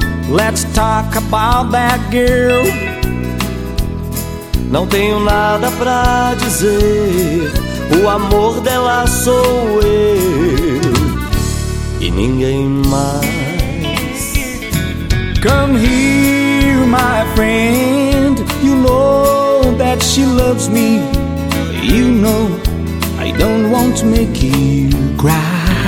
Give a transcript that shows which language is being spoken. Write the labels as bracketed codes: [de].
[en] Let's talk about that girl. [pt] Não tenho nada pra dizer, o amor dela sou eu e ninguém mais. [en] Come here, my friend, you know that she loves me. You know I don't want to make you cry.